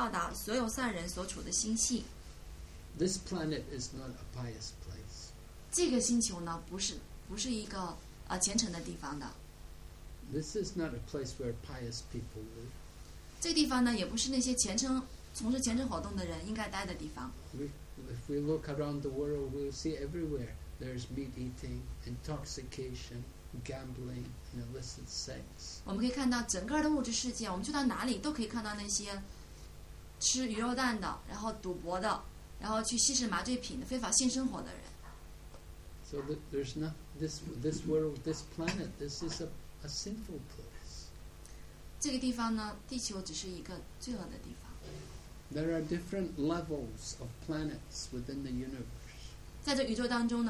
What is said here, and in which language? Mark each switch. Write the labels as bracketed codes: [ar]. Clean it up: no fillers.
[zh] 选择里面说，如果这些人听真正的奉献者讲述的一切，他们就会立即远离恶报，然后到达所有善人所处的星系。This [en] planet is not a pious place. [zh] 这个星球呢，不是一个虔诚的地方的。 [en] This is not a place where pious people live. [zh] 这地方呢，也不是那些虔诚从事虔诚活动的人应该待的地方。 [en] If we look around the world, we'll see everywhere there's meat eating, intoxication, gambling, and illicit sex. [zh] 我们可以看到整个的物质世界，我们去到哪里都可以看到那些吃鱼肉蛋的，然后赌博的，然后去吸食麻醉品的非法性生活的人。 [en] So there's not this world, this planet, this is a sinful place. [zh] 这个地方呢，地球只是一个罪恶的地方。 [en] There are different levels of planets within the universe.